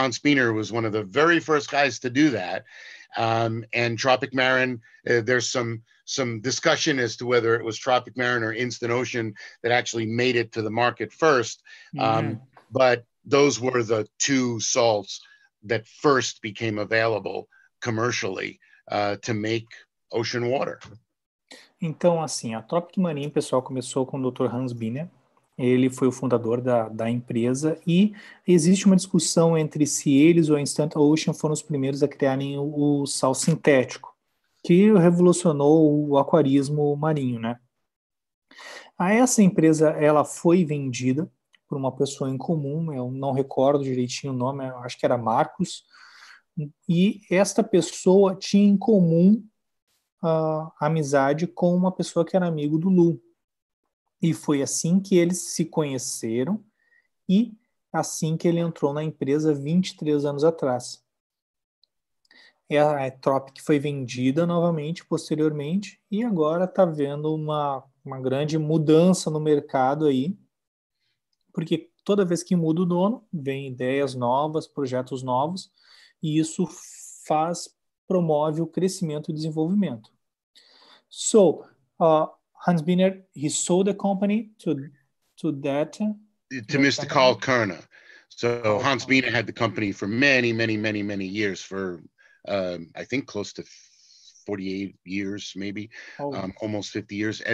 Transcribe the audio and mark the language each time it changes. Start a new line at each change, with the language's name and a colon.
English: Hans Biener was one of the very first guys to do that. And Tropic Marin, there's some discussion as to whether it was Tropic Marin or Instant Ocean that actually made it to the market first. But those were the two salts that first became available commercially to make ocean water.
Portuguese: Então, assim, a Tropic Marin, pessoal, começou com o Dr. Hans Biener, Ele foi o fundador da empresa e existe uma discussão entre se eles ou a Instant Ocean foram os primeiros a criarem o sal sintético, que revolucionou o aquarismo marinho, né? Essa empresa, ela foi vendida por uma pessoa em comum, eu não recordo direitinho o nome, eu acho que era Marcos, e esta pessoa tinha em comum amizade com uma pessoa que era amigo do Lu. E foi assim que eles se conheceram e assim que ele entrou na empresa 23 anos atrás. A Tropic foi vendida novamente, posteriormente, e agora está vendo uma grande mudança no mercado aí, porque toda vez que muda o dono, vem ideias novas, projetos novos, e isso faz, promove o crescimento e desenvolvimento.
English: So, Hans Biner, he sold the company to Mr. Carl Kerner. So Hans Biner had the company for many, many, many, many years, for I think close to 48 years, maybe, almost 50 years.